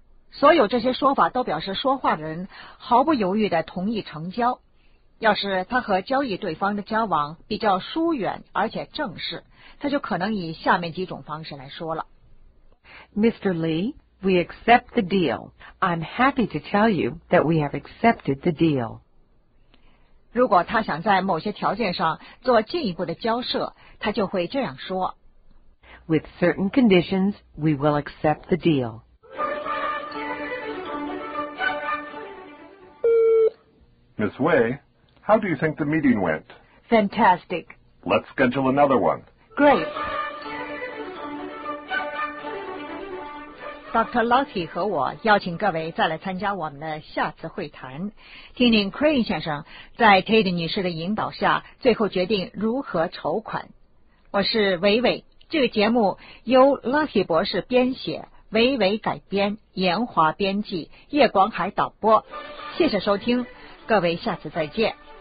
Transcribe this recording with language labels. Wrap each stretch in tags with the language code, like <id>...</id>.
<zh>所有这些说法都表示说话的人毫不犹豫地同意成交。要是他和交易对方的交往比较疏远而且正式，他就可能以下面几种方式来说了。</zh> <en>Mr. Lee, we accept the deal. I'm happy to tell you that we have accepted the deal.</en> <zh>如果他想在某些条件上做进一步的交涉，他就会这样说。</zh> <en>With certain conditions, we will accept the deal. Miss Wei, how do you think the meeting went? Fantastic. Let's schedule another one. Great. Dr.</en> <zh>Lucky 和我邀请各位再来参加我们的下次会谈，听听 Crane 先生在 Tate 女士的引导下最后决定如何筹款。我是维维，这个节目由 Lucky 博士编写，维维改编，严华编辑，叶广海导播。谢谢收听。各位下次再见。</zh>